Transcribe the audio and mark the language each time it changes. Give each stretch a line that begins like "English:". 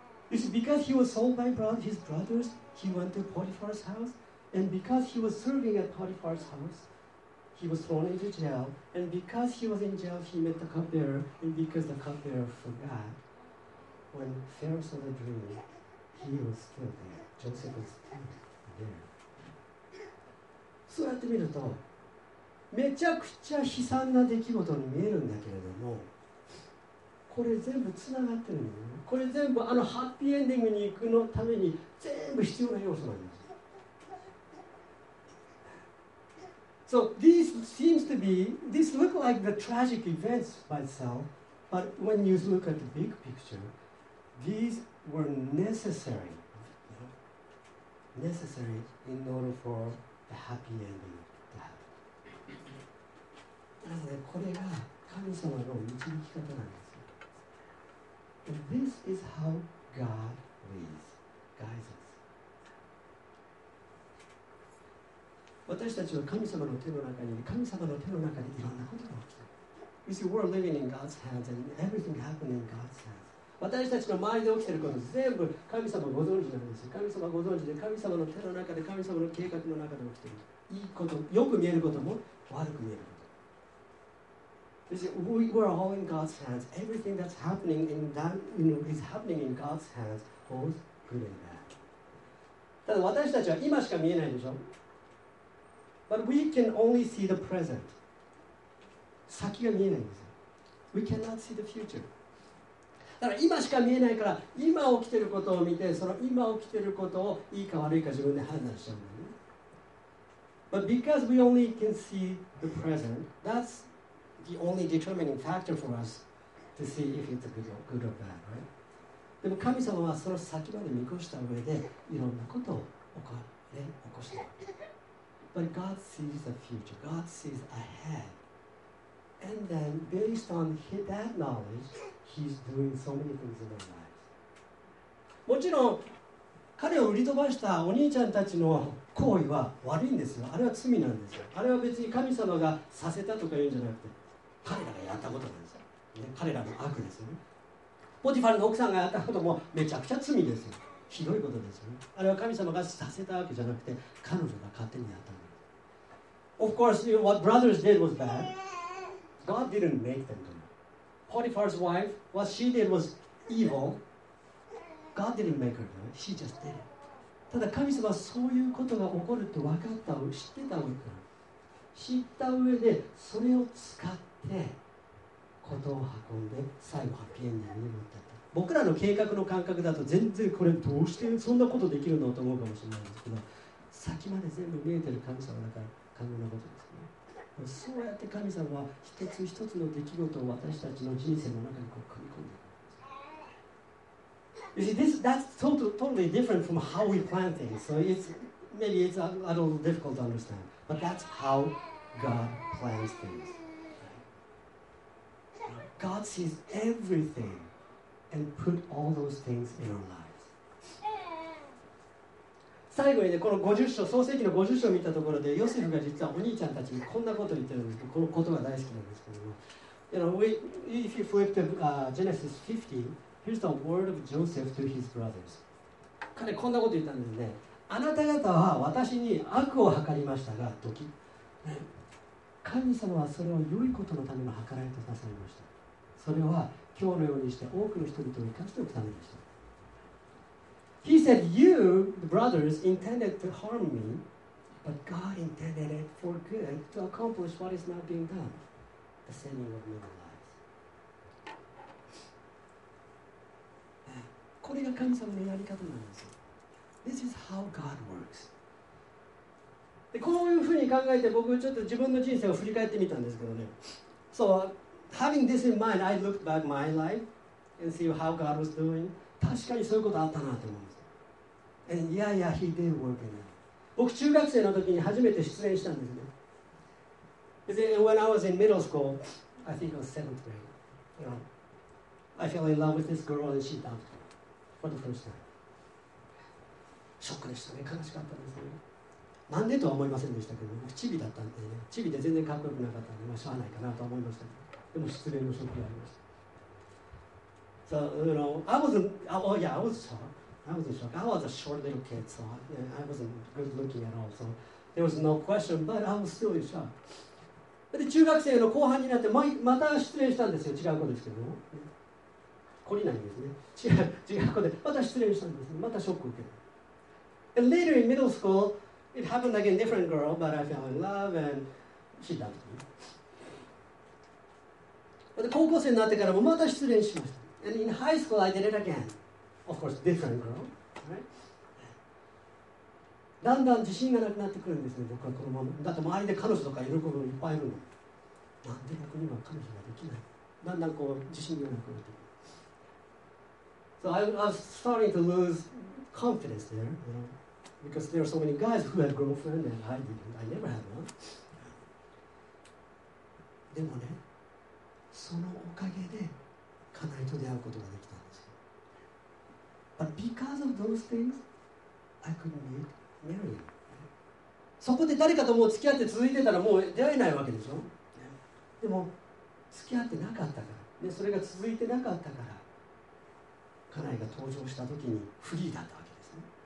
English: It's because he was sold by his brothers, he went to Potiphar's house, and because he was serving at Potiphar's house,He was thrown into jail, and because he was in jail, he met the cupbearer, and because the cupbearer forgot, when Pharaoh saw the dream, he was still there. Joseph was still there.
Japanese: そうやってみると、めちゃくちゃ悲惨な出来事に見えるんだけれども、これ全部つながってるんだよね。これ全部あのハッピーエンディングに行くのために全部必要な要素なんです。
English: So this seems to be, this look like the tragic events by itself, but when you look at the big picture, these were necessary, necessary in order for the happy ending to happen.
Japanese: なので、これが神様の導き方なんです。
English: And this is how God leads, guides us.
Japanese: 私たちは神様の手の中に、神様の手の中でいろんなことが起きている。
English: You see, we're living in God's hands and everything happening in God's hands.
Japanese: 私たちの周りで起きていること全部神様ご存知なんです。神様ご存知で、神様の手の中で、神様の計画の中で起きている。いいこと、よく見えることも悪く見えること。
English: You see, we're all in God's hands. Everything that's happening in that, you know, is happening in God's hands, both good and bad.
Japanese: ただ私たちは今しか見えないでしょ。
English: But we can only see the present.
Japanese: 先が見えないんですよ。
English: We cannot see the future.
Japanese: だから今しか見えないから、今起きていることを見て、その今起きていることをいいか悪いか自分で判断しちゃうんだよね。
English: But because we only can see the present, that's the only determining factor for us to see if it's good or bad, right?
Japanese: でも神様はその先まで見越した上で、いろんなことを起こしてる。
English: But God sees the future. God sees ahead. And then, based on that knowledge, He's doing so many things in our lives.
Japanese: もちろん、彼を売り飛ばしたお兄ちゃんたちの行為は悪いんですよ。あれは罪なんですよ。あれは別に神様がさせたとか言うんじゃなくて、彼らがやったことなんですよ。ね、彼らの悪ですよね。ポティファルの奥さんがやったこともめちゃくちゃ罪ですよ。ひどいことですよね。あれは神様がさせたわけじゃなくて、彼女が勝手にやったの。
English: Of course, you know, what brothers did was bad. God didn't make them do it. Potiphar's wife, what she did was evil. God didn't make her do it. She just did it.
Japanese: ただ神様はそういうことが起こるって分かった、知ってたわけから。知った上で、それを使って、ことを運んで、最後ハッピーエンディングに持ってった。僕らの計画の感覚だと全然これどうしてそんなことできるのと思うかもしれないんですけど、先まで全部見えてる神様だから可能なことですね。そうやって神様は一つ一つの出来事を私たちの人生の中にこう組み込んでいくんです。
English: You see, that's totally different from how we plan things. So maybe it's a little difficult to understand. But that's how God plans things. God sees everything and put all those things in our lives.
Japanese: 最後にね、この50章、創世記の50章を見たところで、ヨセフが実はお兄ちゃんたちにこんなことを言ってるんです。このことが大好きなんですけども。
English: You know, if you flip to Genesis 50, here's the word of Joseph to his brothers.
Japanese: 彼こんなこと言ったんですね。あなた方は私に悪を図りましたが、時。神様はそれを良いことのための計らいとなされました。それは今日のようにして多くの人々を生かしておくためでした。
English: He said, you, the brothers, intended to harm me, but God intended it for good to accomplish what is now being done, the saving of many lives.
Japanese: これが神様のやり方なんですよ。
English: This is how God works.
Japanese: でこういうふうに考えて僕ちょっと自分の人生を振り返ってみたんですけどね。
English: So having this in mind, I looked back my life and see how God was doing.
Japanese: 確かにそういうことあったなと思うんです。
English: And yeah, he did work in it.
Japanese: 僕中学生の時に初めて出演したんですね。
English: When I was in middle school, I think it was seventh grade, you know, I fell in love with this girl and she dumped me for the first time.
Japanese: ショックでしたね。悲しかったですね。なんでとは思いませんでしたけど、チビだったんでね、チビで全然かっこよくなかったんで、まあ、しゃあないかなと思いました。でも失礼のショックがありました。
English: So, you know, I was a shock. I was a short little kid, so I wasn't good looking at all. So there was no question, but I was still in shock.
Japanese: で、中学生の後半になって、また失礼したんですよ、違う子ですけど。懲りないんですね。違う子で、また失礼したんです。またショック受ける。
English: And later in middle school,It happened again, different girl, but I fell in love and she dumped me.
Japanese: But 高校生になってからもまた失恋しました。
English: And in high school, I did it again. Of course, different girl. Right?
Japanese: だんだん自信がなくなってくるんですね、僕はこのまま。だって周りで彼女とかいる子がいっぱいいるの。なんで僕には彼女ができない。だんだんこう自信がなくなってくる。
English: So I was starting to lose confidence there, you know? Because there are so many guys who had girlfriend and I didn't. I never had one.
Japanese: でもね、そのおかげで家内と出会うことができたんですよ。
English: But because of those things, I couldn't marry him.
Japanese: そこで誰かともう付き合って続いてたらもう出会えないわけでしょ。でも付き合ってなかったから、ね、それが続いてなかったから、家内が登場したときにフリーだったわけですね。